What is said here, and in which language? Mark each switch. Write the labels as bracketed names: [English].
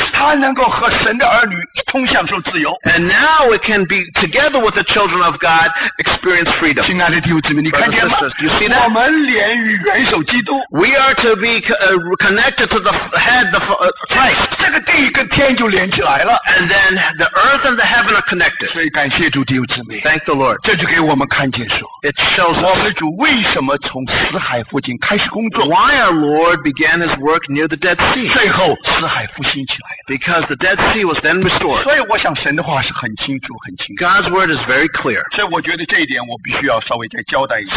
[English] And now it can be together with the children of God experience freedom. [Chinese] 亲爱的弟兄姊妹, [English] brothers and sisters, do you see that? We are to be connected to the head, the Christ. And then the earth and the heaven are connected. [Chinese] 感谢主弟兄姊妹, [English] thank the Lord. [Chinese] 这就给我们看见说, [English] it shows us [Chinese] 我们主为什么从死海附近开始工作, [English] why our Lord began his work near the Dead Sea. [Chinese] 最后死海复兴起来了, [English] because the Dead Sea was then restored. [Chinese] 所以我想神的话是很清楚, 很清楚, [English] God's word is very clear. [Chinese] 所以我觉得这一点我必须要稍微再交代一下,